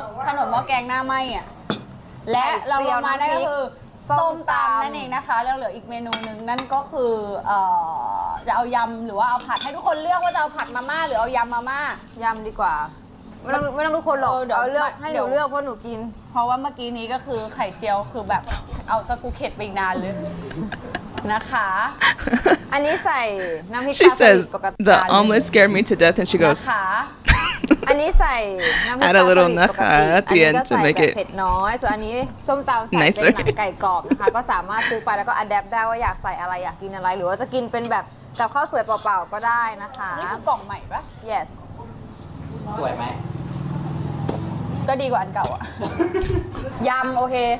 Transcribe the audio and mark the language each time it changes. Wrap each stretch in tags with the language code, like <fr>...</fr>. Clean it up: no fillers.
<th>ขนมหม้อแกงหน้าไหม้อ่ะและเราลงมาได้ก็คือส้มตำนั่นเองนะคะแล้วเหลืออีกเมนูนึงนั่นก็คือจะเอายำหรือว่าเอาผัดให้ทุกคนเลือกว่าจะเอาผัดมาม่าหรือเอายำมาม่าย ำดีกว่าไม่ต้องทุกคนหรอกเอาเลือกให้หนูเลือกเพราะหนูกิน เพราะว่าเมื่อกี้นี้ก็คือไข่เจียวคือแบบเอาสกูเข็ดไปนานเลยนะคะ อัน นี้ใส่น้ำพริก</th> <en>She says the omelet scared me to death and she goes</en> <th>อัน นี้ใส่น้ำพริก</th> <en>Add a little nakha at the end to make it</en> <th>เผ็ดน้อยส่วนอันนี้ส้มตำใส่เป็นหนังไก่กรอบนะคะก็สามารถซื้อไปแล้วก็ adapt ได้ว่าอยากใส่อะไรอยากกินอะไรหรือว่าจะกินเป็นแบบกับข้าวสวยเปล่าๆก็ได้นะคะ นี่คือกล่องใหม่ปะ</th> <en>Yes</en> <th>สวยไหม ก็ดีกว่าอันเก่าอ่ะยำโอเค</th>